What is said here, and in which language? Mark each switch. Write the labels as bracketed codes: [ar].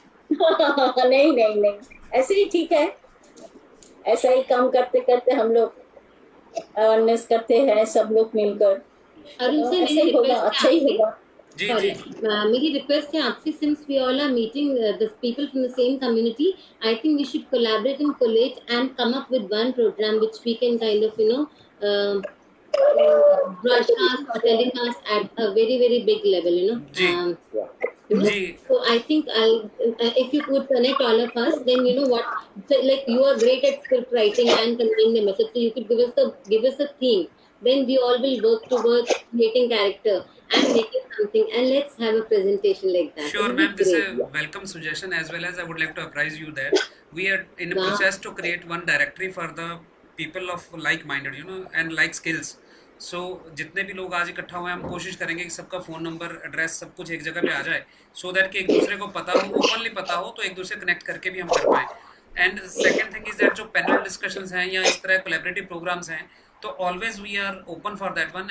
[hi] नहीं नहीं नहीं ऐसे ही ठीक है, ऐसा ही काम करते करते हम लोग अवेयरनेस करते हैं सब लोग मिलकर, अरुण सर ऐसे ही होगा, अच्छा ही होगा। मेरी रिक्वेस्ट है आपसे, [en] Since we all are meeting the people from the same community, I think we should collaborate and come up with one program which we can kind of you know brush us or telling us at a very, very big level, you know. Yeah. So I think if you could connect all of us, then you know what, so like you are great at script writing and conveying the message, so you could give us a theme, then we all will work towards creating character and making something, and let's have a presentation like that. Sure, ma'am, this is a welcome suggestion, as well as I would like to apprise you that we are in a process to create one directory for the people of like-minded, you know, and like skills. [hi] So, जितने भी लोग आज इकट्ठा हुए हैं, हम कोशिश करेंगे कि सबका फोन नंबर, एड्रेस, सब कुछ एक जगह पे आ जाए, [en] so that [hi] कि एक दूसरे को पता हो, ओपनली पता हो, तो एक दूसरे कनेक्ट करके भी हम कर पाए. [en] and second thing is that [hi] जो पैनल डिस्कशंस हैं या इस तरह कोलेबरेटिव प्रोग्राम्स हैं, तो [en] Always we are open for that one.